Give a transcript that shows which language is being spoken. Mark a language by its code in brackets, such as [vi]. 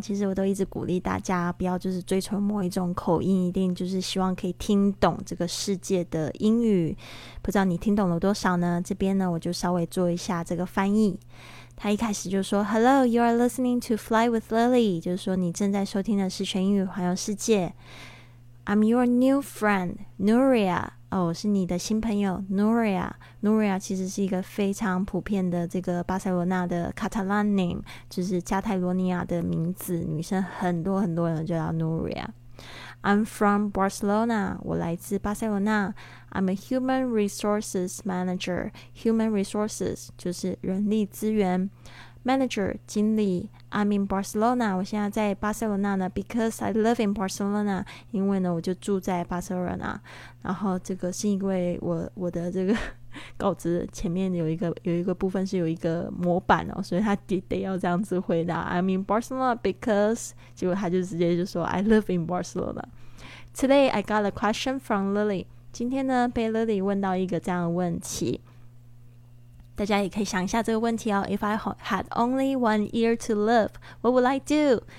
[zh] 其实我都一直鼓励大家不要就是追求某一种口音，一定就是希望可以听懂这个世界的英语。不知道你听懂了多少呢？这边呢我就稍微做一下这个翻译。他一开始就说 [en] Hello, you are listening to Fly with Lily, [zh] 就是说你正在收听的是全英语环游世界。 [en] I'm your new friend, Nuria. [zh] 哦，我是你的新朋友 Nuria。Nuria 其实是一个非常普遍的这个巴塞罗那的 [en] Catalan name， [zh] 就是加泰罗尼亚的名字，女生很多很多人就叫 Nuria。 [en] I'm from Barcelona， [zh] 我来自巴塞罗那。 [en] I'm a human resources manager， [zh] human resources 就是人力资源， manager 经理。 [en] I'm in Barcelona， [zh] 我现在在巴塞罗那呢。 [en] Because I live in Barcelona， [zh] 因为呢我就住在巴塞罗那。然后这个是因为我的这个稿子前面有一个部分是有一个模板哦，所以他得要这样子回答 [en] I'm in Barcelona because [zh] 结果他就直接就说 [en] I live in Barcelona Today I got a question from Lily [zh] 今天呢被 Lily 问到一个这样的问题大家也可以想一下这个问题哦 [en] If I had only 1 year to live, what would I do?